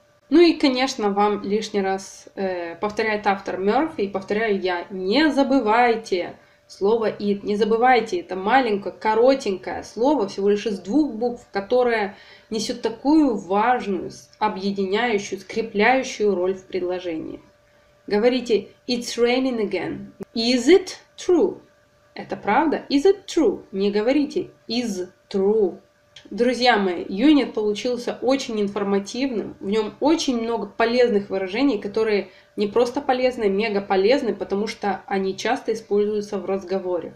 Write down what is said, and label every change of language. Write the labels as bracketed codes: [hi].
[ru] Ну и, конечно, вам лишний раз повторяет автор Мерфи, и повторяю я, не забывайте слово it, не забывайте, это маленькое, коротенькое слово, всего лишь из двух букв, которое несет такую важную, объединяющую, скрепляющую роль в предложении. Говорите [en] it's raining again. Is it true? [ru] Это правда? [en] Is it true? [ru] Не говорите [en] is true. [ru] Друзья мои, юнит получился очень информативным. В нем очень много полезных выражений, которые не просто полезны, мега полезны, потому что они часто используются в разговоре.